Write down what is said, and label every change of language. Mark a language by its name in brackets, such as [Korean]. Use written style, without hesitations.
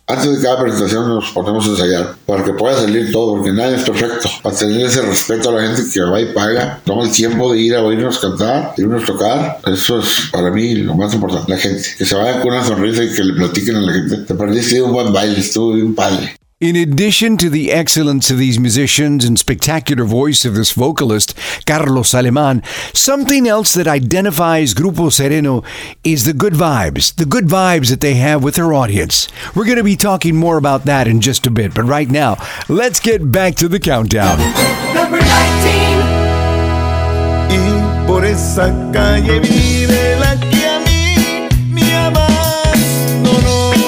[Spanish] Antes de cada presentación nos ponemos a ensayar para que pueda salir todo, porque nadie es perfecto. Para tener ese respeto a la gente que va y paga, toma el tiempo de ir a oírnos cantar, irnos a tocar. Eso es para mí lo más importante, la gente. Que se vaya con una sonrisa y que le platiquen a la gente. Te perdiste un buen baile, estuvo bien padre. [English] In addition to the excellence of these musicians and spectacular voice of this vocalist, Carlos Alemán, something else that identifies Grupo Sereno is the good vibes that they have with their audience. We're going to be talking more about that in just a bit, but right now, let's get back to the countdown. Number 19. [Spanish] Y por esa calle vive la que a mí me amas, no, no.